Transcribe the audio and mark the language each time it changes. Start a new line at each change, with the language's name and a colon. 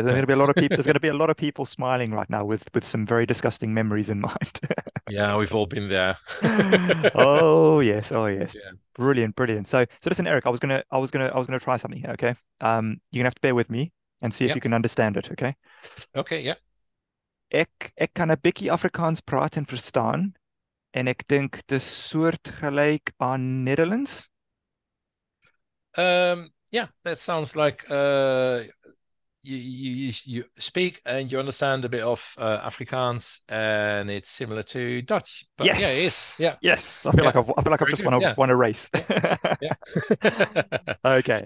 English: There's going to be a lot of people smiling right now with some very disgusting memories in mind. Yeah, we've all been there. Oh yes. Yeah. Brilliant. So listen, Eric, I was gonna try something here, okay? You're gonna have to bear with me and see if you can understand it, okay? Okay, yeah.
Afrikaans: Ek kan 'n bietjie Afrikaans praat en verstaan, en ek dink dis soortgelyk aan Nederlands.
English: Yeah, that sounds like you speak and you understand a bit of Afrikaans, and it's similar to Dutch. But yes. Yeah, it is. Yeah. Yes. I feel like I just want to race. Yeah. Yeah.